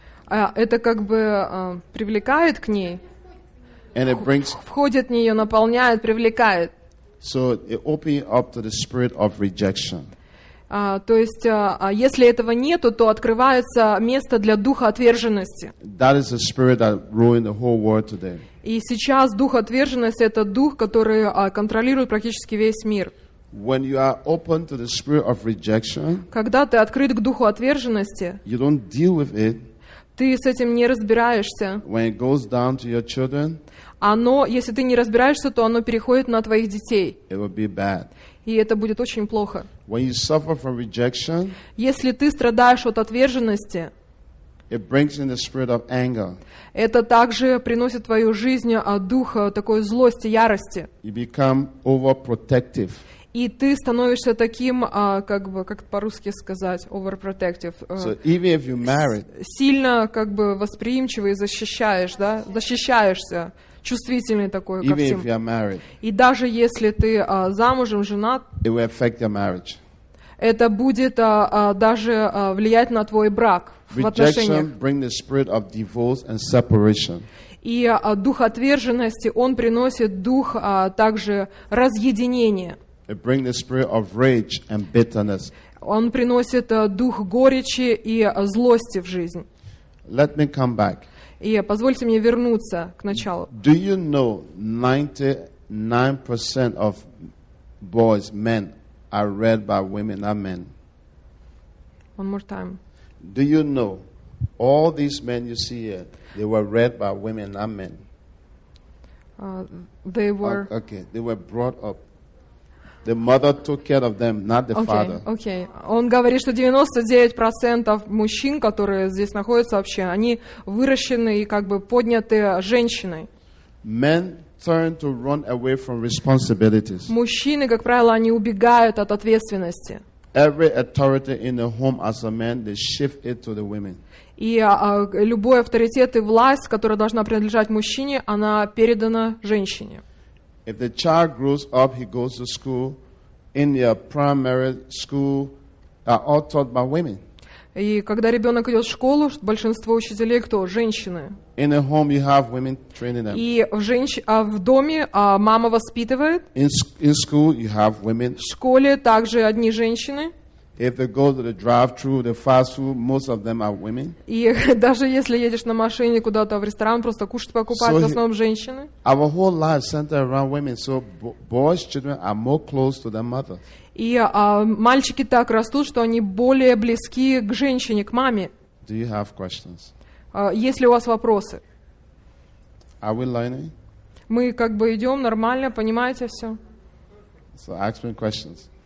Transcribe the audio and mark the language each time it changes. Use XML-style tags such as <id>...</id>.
<ru>Это как бы привлекает к ней.</ru> <en>And it brings.</en> <ru>Входит в нее, наполняет, привлекает.</ru> <en>So it opens up to the spirit of rejection.</en> <ru>То есть, если этого нету, то открывается место для духа отверженности.</ru> <en>That is the spirit that ruined the whole world today.</en> <ru>И сейчас дух отверженности — это дух, который контролирует практически весь мир.</ru> <en>When you are open to the spirit of rejection,</en> <ru>когда ты открыт к духу отверженности,</ru> <en>you don't deal with it.</en> <ru>Ты с этим не разбираешься.</ru> <en>When it goes down to your children,</en> <ru>оно, если ты не разбираешься, то оно переходит на твоих детей.</ru> <en>It will be bad.</en> <ru>И это будет очень плохо.</ru> <en>When you suffer from rejection,</en> <ru>если ты страдаешь от отверженности,</ru> <en>it brings in the spirit of anger.</en> <ru>Это также приносит в твою жизнь дух такой злости, ярости.</ru> <en>You become overprotective.</en> <ru>И ты становишься таким, как бы, как по-русски сказать, overprotective.</ru> <en>So even if you're married,</en> <ru>сильно как бы восприимчивый, защищаешь, да? Защищаешься. Чувствительный такой ко</ru> <en>even</en> <ru>всем.</ru> <en>If you're married,</en> <ru>и даже если ты замужем, женат,</ru> <en>it will affect your marriage.</en> <ru>Это будет даже влиять на твой брак</ru> <en>rejection</en> <ru>в отношениях.</ru> <en>Bring the spirit of divorce and separation.</en> <ru>И дух отверженности, он приносит дух также разъединения.</ru> <en>It brings the spirit of rage and bitterness.</en> <ru>Он приносит дух горечи и злости в жизнь.</ru> <en>Let me come back.</en> <ru>И позвольте мне вернуться к началу.</ru> <en>Do you know 99% of boys, men, are read by women, not men? One more time. Do you know all these men you see here, they were read by women, not men? They were... Okay, they were brought up. The mother took care of them, not the father. Okay.</en> <ru>Он говорит, что 99% мужчин, которые здесь находятся вообще, они выращены и как бы подняты женщиной.</ru> <en>Men turn to run away from responsibilities.</en> <ru>Мужчины, как правило, они убегают от ответственности.</ru> <en>Every authority in the home as a man, they shift it to the women.</en> <ru>И любой авторитет и власть, которая должна принадлежать мужчине, она передана женщине.</ru> <en>If the child grows up, he goes to school. In their primary school, are all taught by women.</en> <ru>И когда ребенок идет в школу, большинство учителей кто? Женщины.</ru> <en>In a home, you have women training them.</en> <ru>И в доме мама воспитывает.</ru> <en>In school, you have women.</en> <ru>В школе также одни женщины.</ru> <en>If they go to the drive-thru, the fast food, most of them are women.</en> <ru>И даже если едешь на машине куда-то в ресторан, просто кушать покупать, в основном женщины.</ru> <en>Our whole life centered around women, so boys' children are more close to their mother.</en> <ru>И мальчики так растут, что они более близки к женщине, к маме.</ru> <en>Do you have questions?</en> <ru>Есть ли у вас вопросы?</ru> <en>Are we learning?</en> <ru>Мы как бы идем нормально, понимаете все?</ru> <en>So ask me questions.</en>